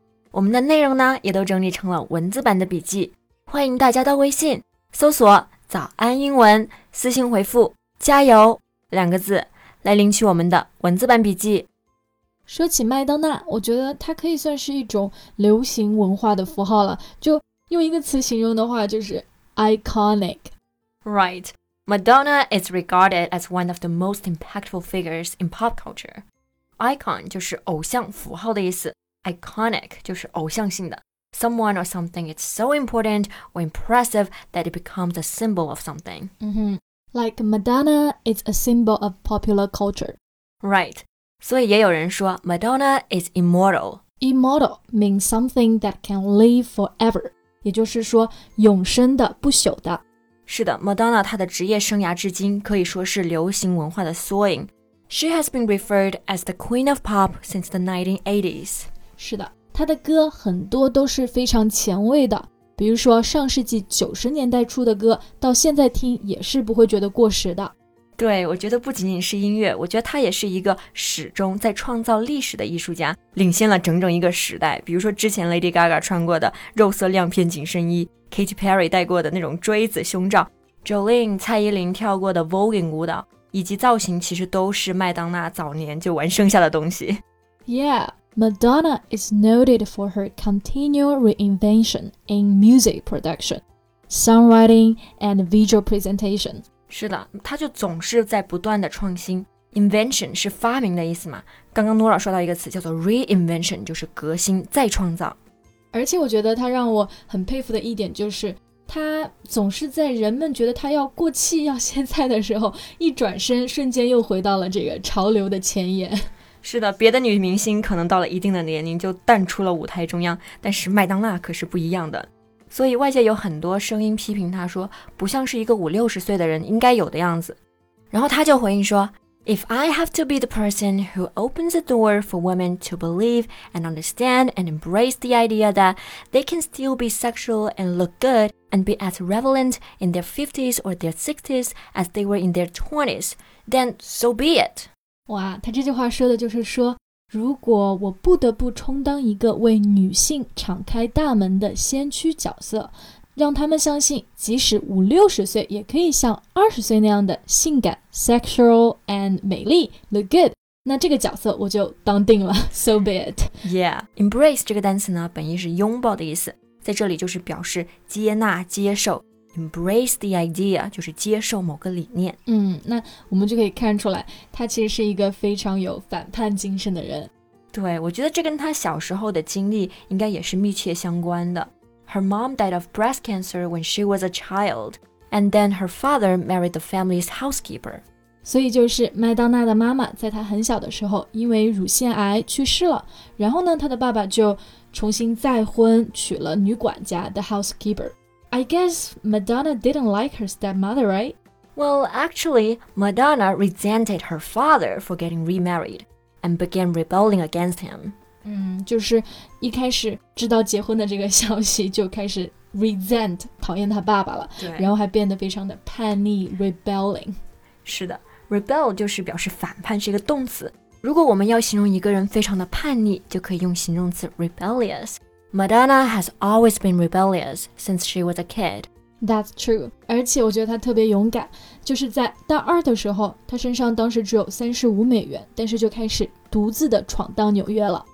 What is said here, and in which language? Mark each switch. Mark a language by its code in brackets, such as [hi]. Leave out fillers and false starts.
[zh] 我们的内容呢也都整理成了文字版的笔记，欢迎大家到微信搜索早安英文，私信回复加油两个字来领取我们的文字版笔记。说起麦当娜，我觉得她可以算是一种流行文化的符号了，就用一个词形容的话就是 iconic。 [en] Right, Madonna is regarded as one of the most impactful figures in pop cultureIcon [zh] 就是偶像符号的意思， [en] Iconic [zh] 就是偶像性的。 [en] Someone or something is so important or impressive that it becomes a symbol of something. Like Madonna is a symbol of popular culture. Right, [zh] 所以也有人说 [en] Madonna is immortal. Immortal means something that can live forever, [zh] 也就是说永生的，不朽的。是的， Madonna 她的职业生涯至今可以说是流行文化的缩影。 [en] She has been referred as the Queen of Pop since the 1980s. [zh] 是的，她的歌很多都是非常前卫的，比如说上世纪90年代出的歌，到现在听也是不会觉得过时的。对，我觉得不仅仅是音乐，我觉得她也是一个始终在创造历史的艺术家，领先了整整一个时代。比如说之前 Lady Gaga 穿过的肉色亮片紧身衣， Katy Perry 戴过的那种锥子胸罩， Jolene 蔡依林跳过的 voguing 舞蹈，以及造型其实都是麦当娜早年就玩剩下的东西。 [en] Yeah, Madonna is noted for her continual reinvention in music production, songwriting, and visual presentation. [zh] 是的，她就总是在不断的创新。Invention 是发明的意思嘛，刚刚 Nora 说到一个词叫做 reinvention, 就是革新再创造。而且我觉得她让我很佩服的一点就是他总是在人们觉得他要过气要现在的时候，一转身瞬间又回到了这个潮流的前沿。是的，别的女明星可能到了一定的年龄就淡出了舞台中央，但是麦当娜可是不一样的。所以外界有很多声音批评他说不像是一个五六十岁的人应该有的样子，然后他就回应说， [en] If I have to be the person who opens the door for women to believe and understand and embrace the idea that they can still be sexual and look goodand be as relevant in their 50s or their 60s as they were in their 20s, then so be it. [zh] 哇，他这句话说的就是说，如果我不得不充当一个为女性敞开大门的先驱角色，让他们相信即使五六十岁也可以像二十岁那样的性感 sexual and 美丽 look good,那这个角色我就当定了， [en] so be it. [zh] Yeah, embrace 这个单词呢本意是拥抱的意思，在这里就是表示接纳接受， embrace the idea 就是接受某个理念。那我们就可以看出来他其实是一个非常有反叛精神的人。对，我觉得这跟他小时候的经历应该也是密切相关的。 [en] Her mom died of breast cancer when she was a child, and then her father married the family's housekeeper. [zh] 所以就是麦当娜的妈妈在她很小的时候因为乳腺癌去世了，然后呢她的爸爸就重新再婚娶了女管家 the housekeeper. [en] I guess Madonna didn't like her stepmother, right? Well, actually, Madonna resented her father for getting remarried and began rebelling against him. [zh] 就是一开始知道结婚的这个消息就开始 resent 讨厌她爸爸了，然后还变得非常的叛逆 rebelling. 是的， rebel 就是表示反叛，是一个动词。如果我们要形容一个人非常的叛逆，就可以用形容词 rebellious. [en] Madonna has always been rebellious since she was a kid. That's true. [zh] 而且我觉得她特别勇敢，就是在大二的时候，她身上当时只有35美元，但是就开始独自的闯荡纽约了。